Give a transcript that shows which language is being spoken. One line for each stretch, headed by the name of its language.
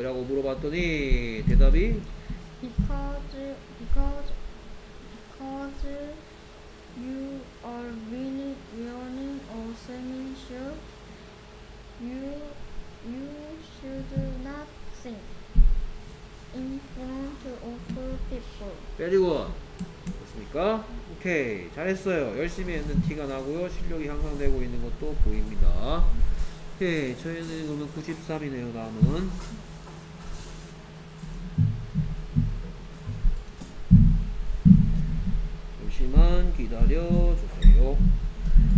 Korean: 이라고 물어봤더니 대답이
English: Because you are wearing a swimming suit, you should not sing in front of people.
Korean: Very good. 됐습니까? 오케이, 잘했어요. 열심히 했는 티가 나고요. 실력이 향상되고 있는 것도 보입니다. 오케이, 저희는 그러면 93이네요. 다음은 잠시만 기다려 주세요.